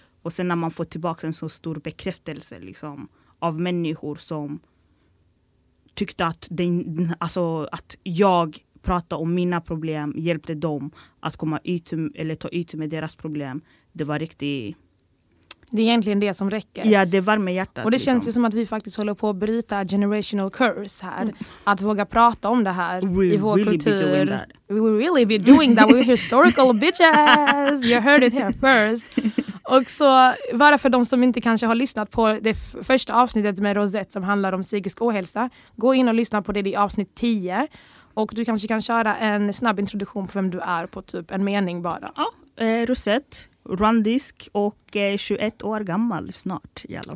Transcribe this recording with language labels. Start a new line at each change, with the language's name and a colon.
Swedish: Och sen när man får tillbaka en så stor bekräftelse liksom, av människor som tyckte att, att jag pratade om mina problem, hjälpte dem att komma ut eller ta ut med deras problem. Det var riktigt... Det är egentligen det som räcker. Ja, det var med hjärtat. Och det liksom. Känns ju som att vi faktiskt håller på att bryta
English: generational curse
Swedish: här. Mm. Att våga prata om det här
English: we'll
Swedish: i vår
English: really
Swedish: kultur.
English: We will really be doing that. We're historical bitches. You heard it here first.
Swedish: Och så, bara för de som inte kanske har lyssnat på det första avsnittet med Rosette som handlar om psykisk ohälsa. Gå in och lyssna på det i avsnitt 10. Och du kanske kan köra en snabb introduktion på vem du är på typ en mening bara. Ja, Rosette. Randisk och 21 år gammal snart i alla fall.